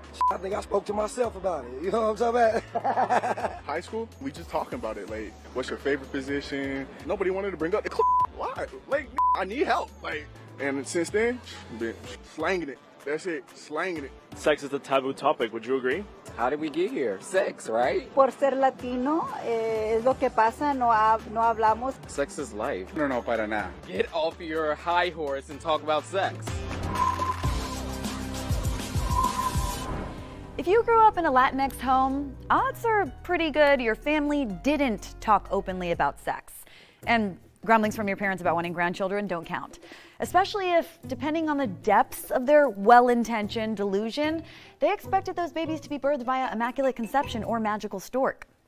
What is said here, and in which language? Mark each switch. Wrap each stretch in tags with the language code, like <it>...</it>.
<en>I think I spoke to myself about it. You know what I'm talking about? High school, we just talking about it. Like, what's your favorite position? Nobody wanted to bring up the club. Why? Like, I need help. Like, and since then, been slanging it. That's it, slanging it. Sex is a taboo topic, would you agree? How did we get here? Sex, right?</en> <es>Por ser Latino, es lo que pasa, no hablamos.</es> <en>Sex is life.</en> <es>No, para nada.</es> <en>Get off your high horse and talk about sex. If you grew up in a Latinx home, odds are pretty good your family didn't talk openly about sex. And grumblings from your parents about wanting grandchildren don't count. Especially if, depending on the depths of their well-intentioned delusion, they expected those babies to be birthed via immaculate conception or magical stork.</en>